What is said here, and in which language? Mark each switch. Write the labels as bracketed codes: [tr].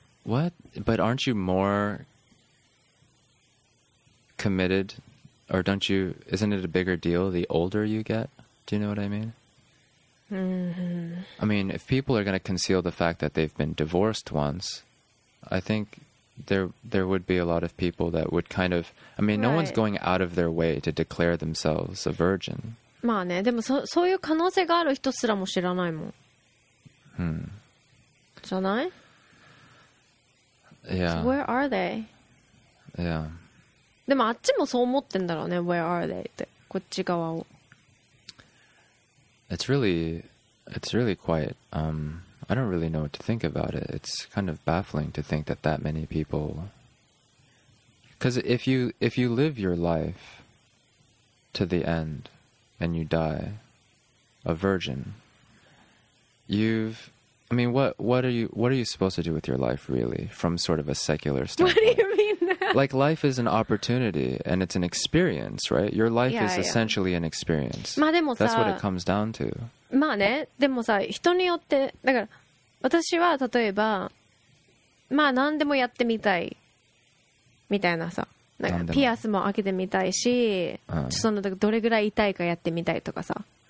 [en] What? But aren't you more committed? Or don't you... Isn't it a bigger deal the older you get? Do you know what I mean? Mm-hmm. I mean, if people are going to conceal the fact that they've been divorced once... I think there would be a lot of people that would kind of... I mean, no one's going out of their way to declare themselves a virgin. [ja] まあね、でもそういう可能性がある人すらも知らないもん。じゃない? [en] Yeah. So where are they? Yeah. [ja] でもあっちもそう思ってんだろうね、 [en] where are they? [ja] って、こっち側を。 [en] It's really quiet, I don't really know what to think about it. It's kind of baffling to think that many people... Because if you live your life to the end and you die a virgin, I mean, what are you supposed to do with your life, really, from sort of a secular standpoint? What do you mean? Like, life is an opportunity and it's an experience, right? Your life is essentially an experience. [ja] まあでもさ、 [en] That's what it comes down to. [ja] まあね、でもさ、人によって、だから、私は例えばまあ何でもやってみたいみたいなさ、なんかピアスも開けてみたいし、ちょっとどれぐらい痛いかやってみたいとかさ、